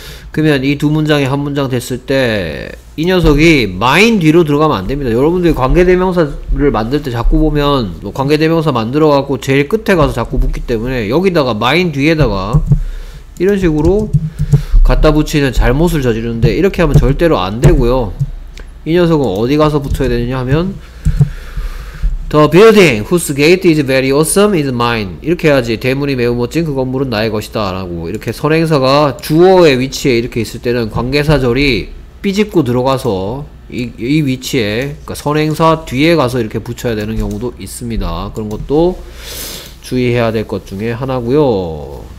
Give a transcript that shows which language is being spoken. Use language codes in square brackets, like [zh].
[ko] 그러면 이 두 문장이 한 문장 됐을 때 이 녀석이 mine 뒤로 들어가면 안 됩니다. 여러분들이 관계대명사를 만들 때 자꾸 보면 뭐 관계대명사 만들어갖고 제일 끝에 가서 자꾸 붙기 때문에 여기다가 mine 뒤에다가 이런 식으로 갖다 붙이는 잘못을 저지르는데 이렇게 하면 절대로 안 되고요. 이 녀석은 어디 가서 붙어야 되느냐 하면 [en] The building whose gate is very awesome is mine. [ko] 이렇게 해야지. 대문이 매우 멋진 그 건물은 나의 것이다 라고 이렇게 선행사가 주어의 위치에 이렇게 있을 때는 관계사절이 삐집고 들어가서 이 위치에 그러니까 선행사 뒤에 가서 이렇게 붙여야 되는 경우도 있습니다. 그런 것도 주의해야 될 것 중에 하나고요.